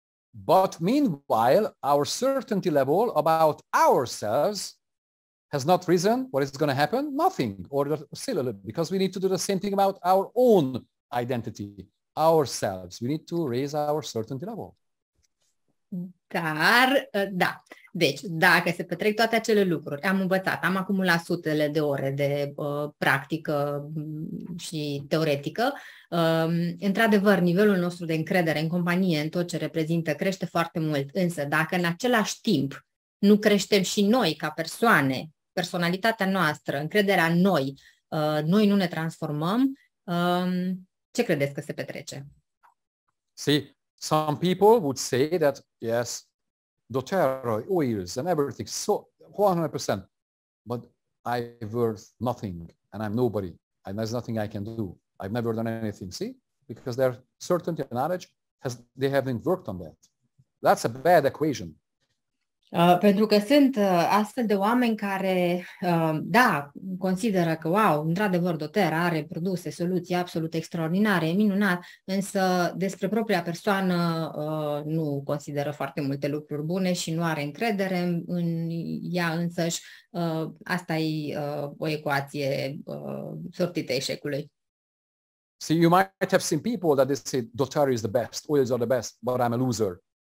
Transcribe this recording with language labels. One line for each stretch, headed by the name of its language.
English: But meanwhile, our certainty level about ourselves has not risen. What is going to happen? Nothing, or still a little, because we need to do the same thing about our own identity, ourselves. We need to raise our certainty level.
Romanian: Dar, da. Deci, dacă se petrec toate acele lucruri, am învățat, am acumulat sutele de ore de practică și teoretică, într-adevăr, nivelul nostru de încredere în companie, în tot ce reprezintă, crește foarte mult. Însă, dacă în același timp nu creștem și noi ca persoane, personalitatea noastră, încrederea în noi, noi nu ne transformăm, ce credeți că se petrece?
English: See, some people would say that, yes, doTERRA, oils and everything, so 100%, but I'm worth nothing and I'm nobody, and there's nothing I can do. I've never done anything, see? Because their certainty and knowledge, they haven't worked on that. That's a bad equation.
Romanian: Pentru că sunt astfel de oameni care, da, consideră că, wow, într-adevăr, doTERRA are produse, soluții absolut extraordinare, minunat, însă despre propria persoană nu consideră foarte multe lucruri bune și nu are încredere în ea însăși. Asta e o ecuație sortită eșecului.
English: See, you might have seen people that they say doTERRA is the best, oils are the best, but I'm a loser.